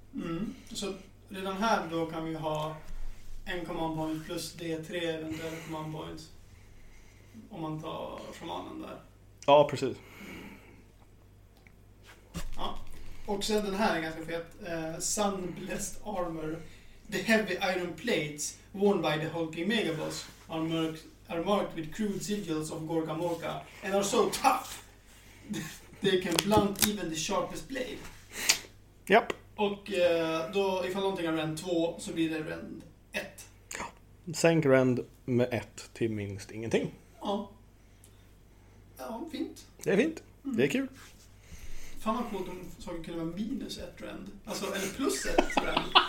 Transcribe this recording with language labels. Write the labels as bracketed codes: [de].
[sv] Mm. Så redan här då kan vi ha en command point plus D3 eventuellt command points. Om man tar shamanen där. Ja, precis. Ja. Och sen den här är ganska fet. [en] Sunblessed Armor. The Heavy Iron Plates worn by the Hulking Megaboss are marked with crude sigils of Gorgamorka and are so tough. They can blunt even the sharpest blade. [sv] Japp. Och då, ifall någonting har rend 2 så blir det rend 1. Ja. Sänk rend med 1 till minst ingenting. Ja. Ja, fint. Det är fint. Mm. Det är kul. Fan vad coolt om saker kunde vara minus 1 rend. Alltså, eller plus 1 rend.